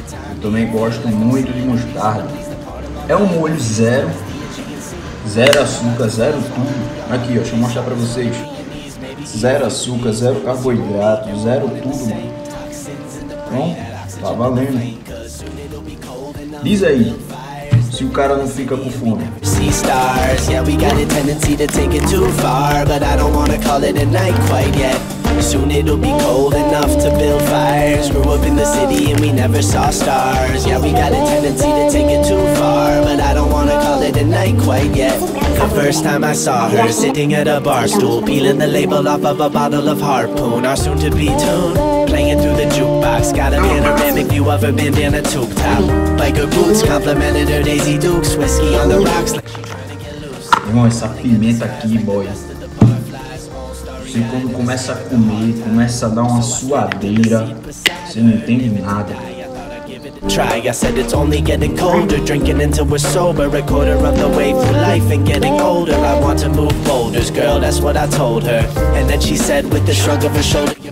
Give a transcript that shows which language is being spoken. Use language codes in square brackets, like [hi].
[pt] Eu também gosto muito de mostarda. É um molho zero. Zero açúcar, zero tudo. Aqui, ó, deixa eu mostrar pra vocês. Zero açúcar, zero carboidrato, zero tudo, mano. Bom, tá valendo. Diz aí se o cara não fica com fome. [en] See stars, yeah, we got a tendency to take it too far. But I don't wanna call it a night quite yet. Soon it'll be cold enough to build fires. Grew up in the city and we never saw stars. Yeah, we got a tendency to take it too far. But I don't wanna call it a night quite yet. The first time I saw her sitting at a bar stool, peeling the label off of a bottle of Harpoon. Our soon to be tune, playing through the jukebox. box, got a panoramic view of a bandana tube top. Biker boots, complimented her Daisy Dukes, whiskey on the rocks. [pt] Irmão, essa pimenta aqui, boy. E quando começa a comer, começa a dar uma suadeira. Você não entende nada. [en] Try, I said it's only getting colder. Drinking until we're sober. A quarter of the way through life and getting older. I want to move boulders, girl, that's what I told her. And then she said with a shrug of her shoulder.